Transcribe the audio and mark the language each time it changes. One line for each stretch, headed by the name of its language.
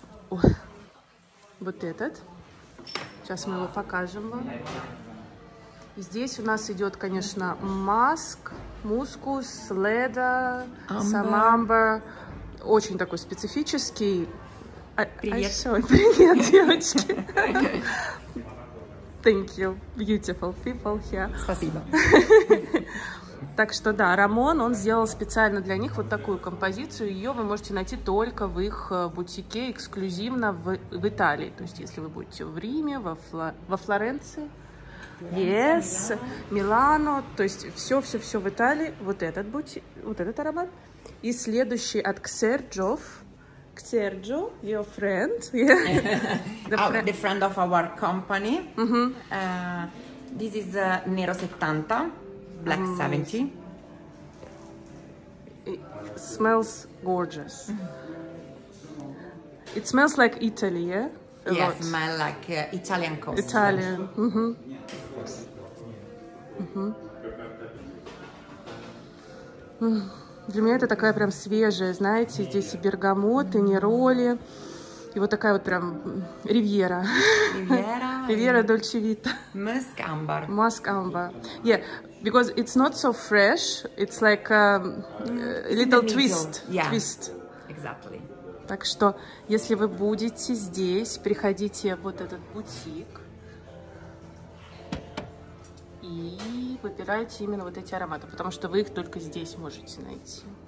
Russian: Вот этот. Сейчас мы его покажем вам. Здесь у нас идет, конечно, маск, мускус, леда, самамбер. Очень такой специфический. Привет, девочки.
English: Thank you, beautiful people here.
Russian: Спасибо. Так что да, Рамон, он сделал специально для них вот такую композицию. Ее вы можете найти только в их бутике, эксклюзивно в Италии. То есть если вы будете в Риме, во Флоренции. Yes, Милано, то есть все в Италии. Вот этот аромат. И следующий от Ксерджов.
English: Ксерджо, your friend. Yeah. The friend of our company. Mm-hmm. This is Nero 70, Black 70. It smells gorgeous. Mm-hmm. It smells like Italy, yeah? Yes, smell like Italian coast. Italian. Mm-hmm. Mm-hmm. Mm.
Russian: Для меня это такая прям свежая, знаете, здесь и бергамот, и нероли, и вот такая вот прям ривьера. Ривьера Дольче Вита.
English: Musk amber. Musk amber. Yeah, because it's not so fresh, it's like a little twist. Yeah. Twist. Exactly.
Russian: Так что, если вы будете здесь, приходите в вот этот бутик и выбирайте именно вот эти ароматы, потому что вы их только здесь можете найти.